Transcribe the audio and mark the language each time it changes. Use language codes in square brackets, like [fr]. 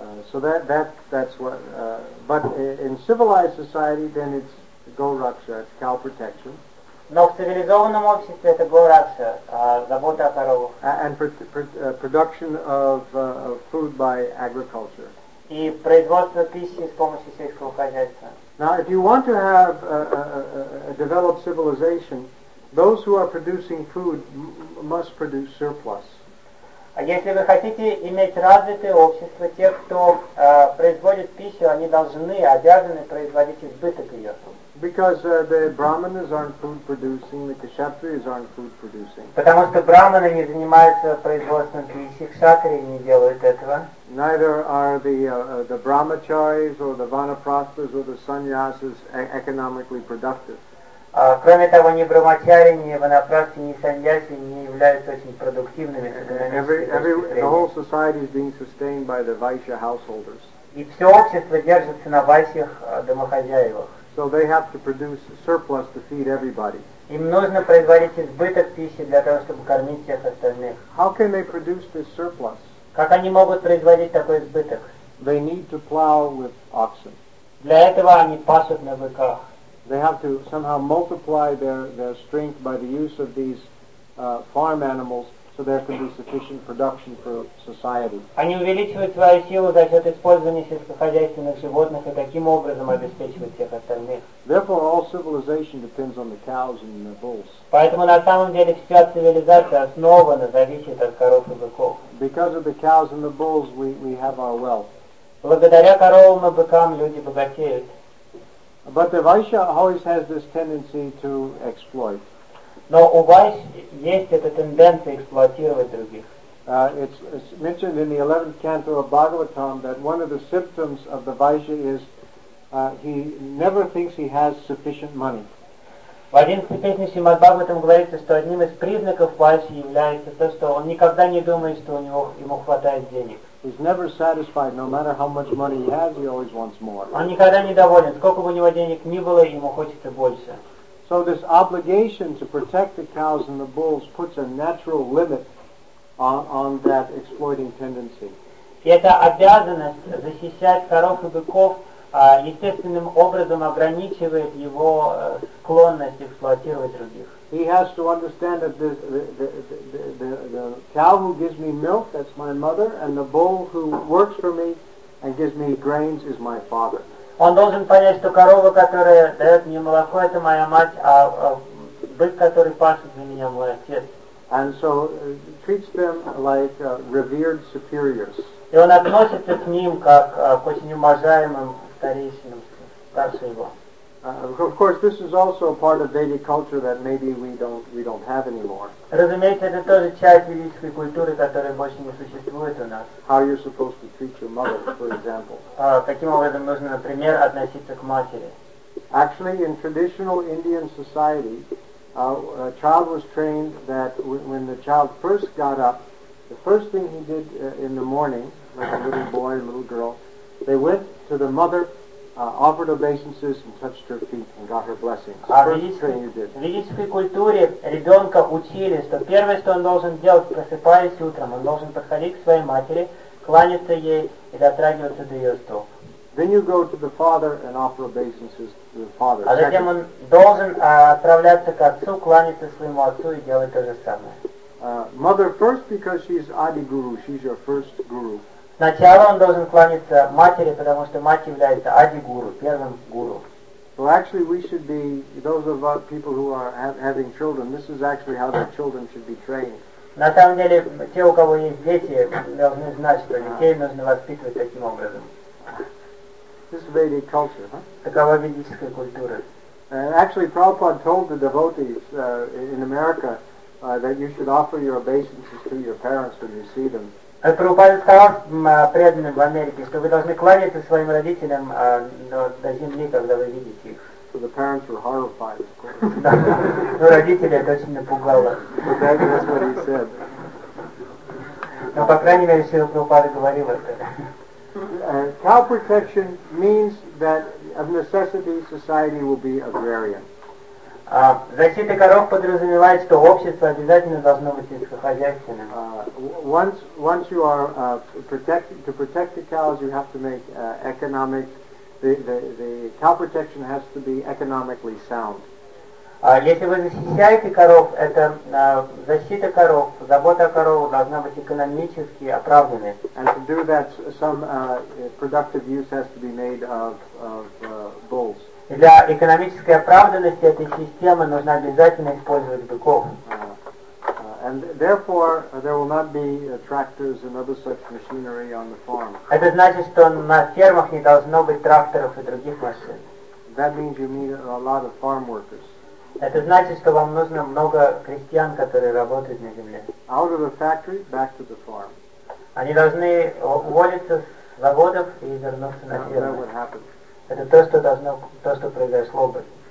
[en] But in civilized society, then it's go-raksha, it's cow protection. [ru] Но в цивилизованном обществе это go-raksha, забота о коровах. [en] And production of food by agriculture. [ru] И производство пищи с помощью сельского хозяйства. [en] Now, if you want to have a developed civilization, those who are producing food must produce surplus. [ru] Если вы хотите иметь развитое общество, те, кто производит пищу, они должны, обязаны производить избыток ее. [en] Because the brahmanas aren't food producing, the kshatriyas aren't food producing. [ru] Потому что брахманы не занимаются производством пищи, кшатрии не делают этого. [en] Neither are the brahmacharis or the vanaprasthas or the sannyasis economically productive. [ru] Кроме того, ни брахмачари, ни ванапрасти, ни саньяси не являются очень продуктивными. [en] The whole society is being sustained by the vaishya householders. [ru] И все общество держится на вайшьях домохозяевах. [en] So they have to produce surplus to feed everybody. [ru] Им нужно производить избыток пищи для того, чтобы кормить всех остальных. [en] How can they produce this surplus? [ru] Как они могут производить такой избыток? [en] They need to plow with oxen. [ru] Для этого они пасут на быках. [en] They have to somehow multiply their strength by the use of these farm animals so there can be sufficient production for society. [ru] Они увеличивают свою силу за счет использования сельскохозяйственных животных и таким образом обеспечивают всех остальных. [en] Therefore, all civilization depends on the cows and the bulls. [ru] Поэтому на самом деле вся цивилизация основана, зависит от коров и быков. [en] Because of the cows and the bulls, we have our wealth. [ru] Благодаря коровам и быкам люди богатеют. [en] But the Vaishya always has this tendency to exploit. [ru] Но у Вайшь есть эта тенденция эксплуатировать других. [en] It's mentioned in the 11th canto of Bhagavatam that one of the symptoms of the Vaishya is he never thinks he has sufficient money. [ru] В 11 песне Шримад Бхагаватам говорится, что одним из признаков Вайшьи является то, что он никогда не думает, что у него ему хватает денег. [en] He's never satisfied, no matter how much money he has, he always wants more. [ru] Он никогда не доволен, сколько бы у него денег ни было, ему хочется больше. [en] So this obligation to protect the cows and the bulls puts a natural limit on that exploiting tendency. [ru] И эта обязанность защищать коров и быков естественным образом ограничивает его склонность эксплуатировать других. [en] He has to understand that the cow who gives me milk, that's my mother, and the bull who works for me and gives me grains is my father. [ru] Он должен понять, что корова, которая дает мне молоко, это моя мать, а бык, который пашет для меня, мой отец. [en] And so treats them like revered superiors. [ru] И он относится к ним как к очень уважаемым старейшинам, старше его. [en] Of course, this is also a part of Vedic culture that maybe we don't have anymore. [ru] Разумеется, это тоже часть ведической культуры, которая больше не существует у нас. [en] How you're supposed to treat your mother, for example. [ru] Каким образом нужно, например, относиться к матери? [en] Actually, in traditional Indian society, a child was trained that when the child first got up, the first thing he did in the morning, like a little boy, a little girl, they went to the mother. Offered obeisances and touched her feet and got her blessings. [ru] В ведической культуре ребенка учили, что первое, что он должен делать, просыпаясь утром, он должен подходить к своей матери, кланяться ей и дотрагиваться до ее стоп. [en] Then you go to the father and offer obeisances to the father. [ru] А затем он должен отправляться к отцу, кланяться своему отцу и делать то же самое. [en] mother first because she's Adi Guru, she's your first guru. [ru] Сначала он должен кланяться матери, потому что мать является Ади Гуру, первым гуру. [en] So actually we should be, those of us people who are having children, this is actually how their children should be trained. [ru] На самом деле, те, у кого есть дети, должны знать, что детей нужно воспитывать таким образом. [en] This is Vedic culture, huh? [ru] Такова ведическая культура. [en] And actually Prabhupada told the devotees in America that you should offer your obeisances to your parents when you see them. [ru] Прабхупада сказал преданным в Америке, что вы должны кланяться своим родителям до земли, когда вы видите их. [en] So the parents were horrified, of course. [ru] Но родители это очень напугало. [en] But that is what he said. [ru] Но, по крайней мере, Шрила Прабхупада говорил это. [en] Cow protection means that of necessity society will be agrarian. [ru] Защита коров подразумевает, что общество обязательно должно быть сельскохозяйственным. [en] Once you are to protect the cows, you have to make economic the cow protection has to be economically sound. [ru] Если вы защищаете коров, это защита коров, забота о коровах должна быть экономически оправданной. [en] And to do that, some productive use has to be made of bulls. [ru] Для экономической оправданности этой системы нужно обязательно использовать быков. [en] And therefore, there will not be tractors and other such machinery on the farm. [ru] Это значит, что на фермах не должно быть тракторов и других машин. [en] That means you need a lot of farm workers. [ru] Это значит, что вам нужно много крестьян, которые работают на земле. [en] Out of the factory, back to the farm. [ru] Они должны уволиться с заводов и вернуться на фермы. [en] That would happen. [ru] Это то, что должно, то, что произошло бы.